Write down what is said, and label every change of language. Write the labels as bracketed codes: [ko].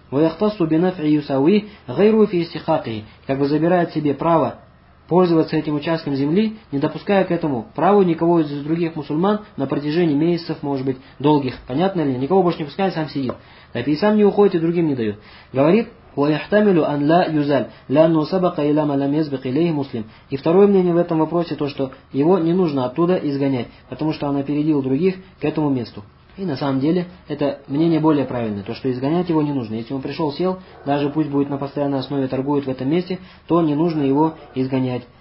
[ar] Ваяхтасу бинафи юсауи гайруфи истихакии. [ru] Как бы забирает себе право пользоваться этим участком земли, не допуская к этому праву никого из других мусульман на протяжении месяцев, может быть, долгих. Понятно ли? Никого больше не пускает, сам сидит. Так и сам не уходит, и другим не дает. Говорит, [ar] وَيَحْتَمِلُ أَنْ لَا يُزَلْ لَأَنُّ سَبَقَ إِلَى مَا لَمْ يَسْبِقْ إِلَيْهِ مُسْلِمْ. [ru] И второе мнение в этом вопросе, то, что его не нужно оттуда изгонять, потому что он опередил других к этому месту. И на самом деле, это мнение более правильное, то, что изгонять его не нужно. Если он пришел, сел, даже пусть будет на постоянной основе, торгует в этом месте, то не нужно его изгонять.